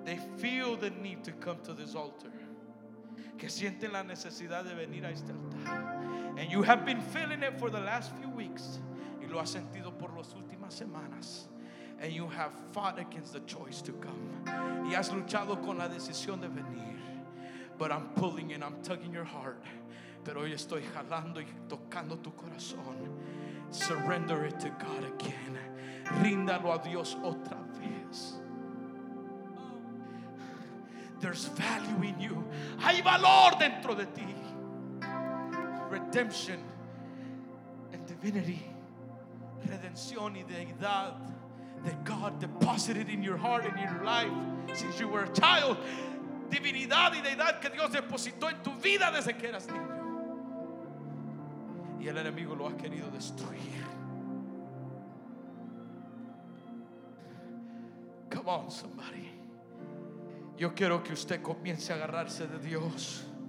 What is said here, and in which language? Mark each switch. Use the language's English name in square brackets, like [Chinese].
[English] They feel the need to come to this altar. [Spanish] Que sienten la necesidad de venir a este altar. [English] And you have been feeling it for the last few weeks. [Spanish] Y lo has sentido por las últimas semanas. [English] And you have fought against the choice to come. [Spanish] Y has luchado con la decisión de venir. [English] But I'm pulling and I'm tugging your heart. [Spanish] Pero hoy estoy jalando y tocando tu corazón. [English] Surrender it to God again. [Spanish] Ríndalo a Dios otra vez. [English] There's value in you. [Spanish] Hay valor dentro de ti. [English] Redemption and divinity. [Spanish] Redención y deidad [English] that God deposited in your heart and in your life since you were a child. [Spanish] Divinidad y deidad que Dios depositó en tu vida desde que eras niño. Y el enemigo lo ha querido destruir. [English] Come on, somebody. [Spanish] Yo quiero que usted comience a agarrarse de Dios.